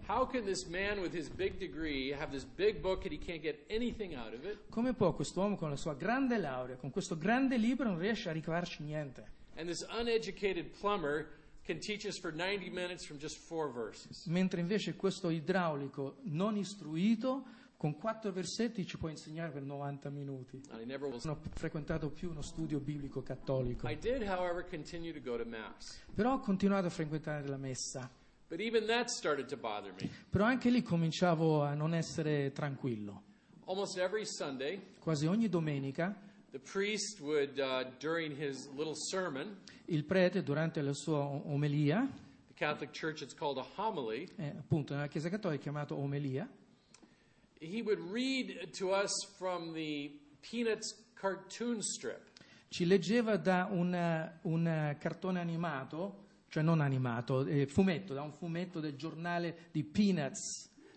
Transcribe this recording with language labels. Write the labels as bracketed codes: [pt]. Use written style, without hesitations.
[en] How can this man with his big degree have this big book and he can't get anything out of it? [it] Come può quest'uomo con la sua grande laurea, con questo grande libro, non riesce a ricavarci niente? [en] And this uneducated plumber can teach us for 90 minutes from just 4 verses. [it] Mentre invece questo idraulico non istruito con 4 versetti ci può insegnare per 90 minuti. Non ho frequentato più uno studio biblico cattolico. [en] I did, however, continue to go to mass. [it] Però ho continuato a frequentare la messa. [en] But even that started to bother me. [it] Però anche lì cominciavo a non essere tranquillo. [en] Almost every Sunday, [it] quasi ogni domenica, [en] the priest would, during his little sermon, [it] il prete durante la sua omelia, [en] Catholic Church it's called a homily. [it] Appunto, nella Chiesa Cattolica è chiamato omelia. [en] He would read to us from the Peanuts cartoon strip. [it] Ci leggeva da un cartone animato, cioè non animato, fumetto, da un fumetto del giornale di Peanuts.